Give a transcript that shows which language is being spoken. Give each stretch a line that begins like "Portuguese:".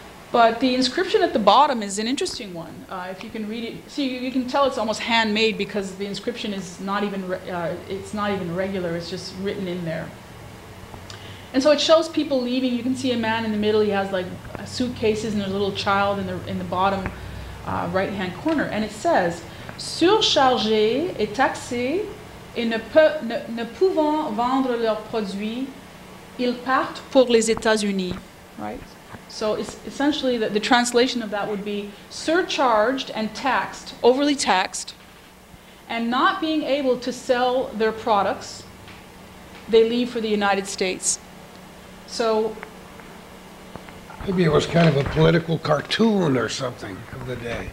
English: But the inscription at the bottom is an interesting one. If you can read it, see, you can tell it's almost handmade because the inscription is not even, it's not even regular, it's just written in there. And so it shows people leaving. You can see a man in the middle, he has like suitcases and a little child in the bottom right-hand corner. And it says,
French: surchargé et taxé et ne pouvant vendre leurs produits, ils partent pour les États-Unis, right?
English: So it's essentially, the translation of that would be surcharged and taxed, overly taxed, and not being able to sell their products, they leave for the United States. So maybe it was kind of a political cartoon or something of the day.